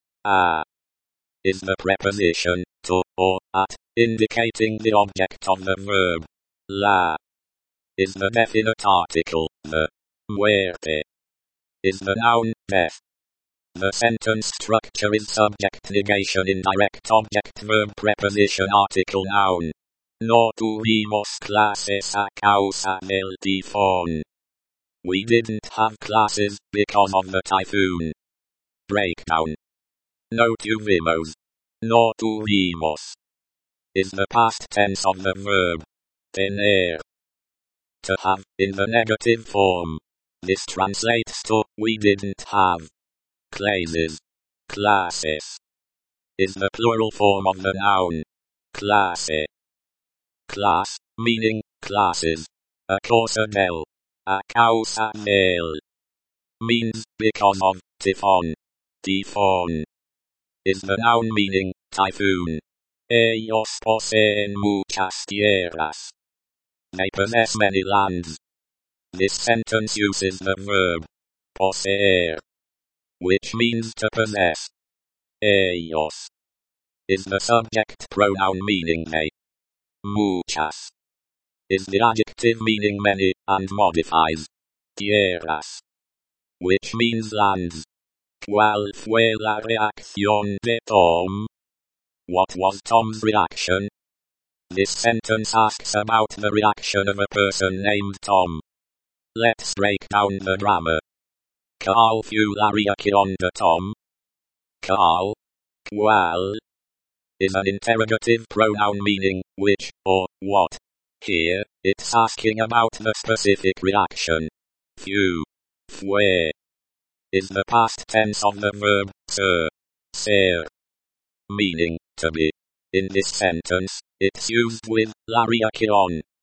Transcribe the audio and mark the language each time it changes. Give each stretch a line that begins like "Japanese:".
English: A is the preposition to or at, indicating the object of the verb. La is the definite article. The muerte is the noun death. The sentence structure is subject negation indirect object verb preposition article noun.
Spanish: No tuvimos clases a causa del tifón.
English: We didn't have classes because of the typhoon. Breakdown.
Spanish: No tuvimos. No tuvimos.
English: Is the past tense of the verb. Tener. To have, in the negative form. This translates to, we didn't have. Clases. Classes. Is the plural form of the noun.
Spanish: Clase.
English: Class, meaning, classes.
Spanish: A causa del. A causa del.
English: Means, because of,
Spanish: tifón. Tifón.
English: Is the noun meaning, typhoon.
Spanish: Ellos poseen muchas tierras.
English: They possess many lands. This sentence uses the verb poseer, which means to possess. Ellos is the subject pronoun meaning they. Muchas is the adjective meaning many and modifies tierras, which means lands.
Spanish: ¿Cuál fue la reacción de Tom?
English: What was Tom's reaction? This sentence asks about the reaction of a person named Tom. Let's break down the drama.
Spanish: ¿Cuál fue la reacción de Tom? ¿Cuál? ¿Cuál?
English: Is an interrogative pronoun meaning which or what. Here, it's asking about the specific reaction. Fue. Is the past tense of the verb ser. Ser. Meaning, to be. In this sentence, it's used with
Spanish: la reacción.